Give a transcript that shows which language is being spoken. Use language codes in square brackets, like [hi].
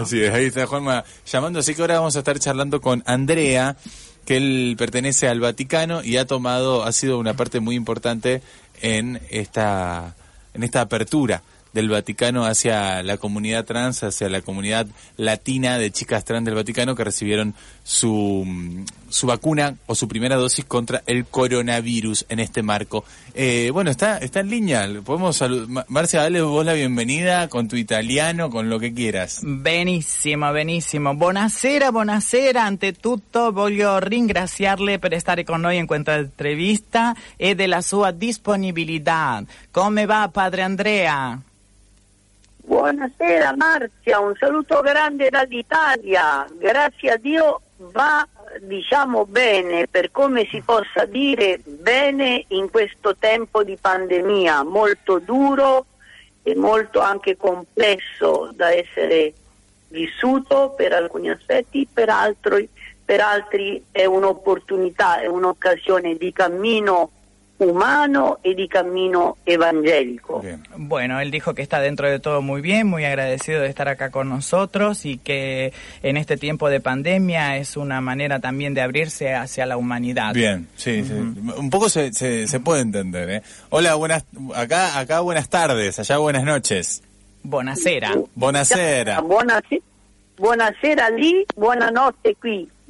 [es] Así es, ahí está Juanma llamando. Así que ahora vamos a estar charlando con Andrea, que él pertenece al Vaticano y ha sido una parte muy importante en esta apertura del Vaticano hacia la comunidad trans, hacia la comunidad latina de chicas trans del Vaticano que recibieron su vacuna o su primera dosis contra el coronavirus en este marco. Bueno, está en línea. Podemos saludar. Marcia, dale vos la bienvenida con tu italiano, con lo que quieras. Benísimo, benísimo. [it] Buonasera, buonasera. Ante tutto, voglio ringraziarle per stare con noi in questa entrevista e della sua disponibilità. Come va, padre Andrea? Buonasera Marcia, un saluto grande dall'Italia, grazie a Dio va, diciamo, bene, per come si possa dire bene in questo tempo di pandemia, molto duro e molto anche complesso da essere vissuto per alcuni aspetti, per altri è un'opportunità, è un'occasione di cammino humano [es] y de camino evangélico. Bien. Bueno, él dijo que está dentro de todo muy bien, muy agradecido de estar acá con nosotros y que en este tiempo de pandemia es una manera también de abrirse hacia la humanidad. Bien, sí, sí. Un poco se puede entender, ¿eh? Hola, buenas, acá buenas tardes, allá buenas noches. [it] Buonasera. Buonasera. Buonasera lì, buonanotte qui.